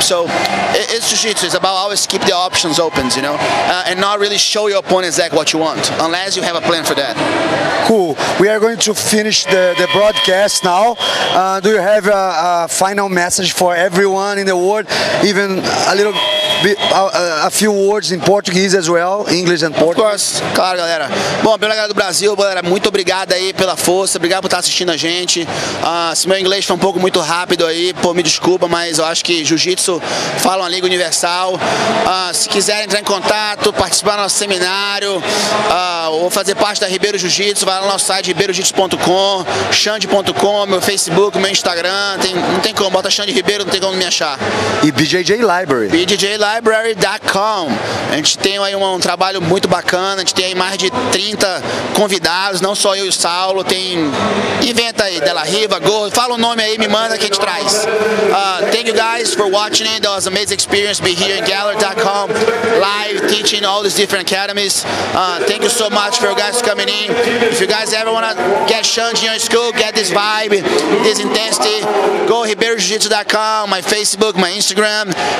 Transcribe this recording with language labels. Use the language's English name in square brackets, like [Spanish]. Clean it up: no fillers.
[English] So it's jiu-jitsu. It's about always keep the options open, you know, and not really show your opponent exactly what you want, unless you have a plan for that. Cool. We are going to finish the broadcast now. Do you have a final message for everyone in the world, even a little bit, a few words in Portuguese as well, English and Portuguese? Of course. [Portuguese] Claro, galera. Bom, pela galera do Brasil, galera, muito obrigado aí pela força, obrigado por estar assistindo a gente. Se meu inglês foi um pouco muito rápido aí, pô, me desculpa, mas eu acho que jiu-jitsu fala uma língua universal. Se quiser entrar em contato, participar do nosso seminário, ou fazer parte da Ribeiro Jiu-Jitsu, vai lá no nosso site, ribeirojiu-jitsu.com, xande.com, meu Facebook, meu Instagram, não tem como, bota Xande Ribeiro, não tem como me achar. E BJJ Library. BJJlibrary.com. A gente tem aí um trabalho muito bacana, a gente tem aí mais de 30 convidados, não só eu e o Saulo, tem inventa aí, Della Riva, Gordo, fala o nome aí, me manda que a gente traz. [English] Thank you guys for watching it, that was an amazing experience, be here in gallery.com, live, teaching all these different academies. Thank you so much for you guys coming in. If you guys ever want to get Xande in your school, get this vibe, this intensity, go ribeirojiu-jitsu.com, my Facebook, my Instagram.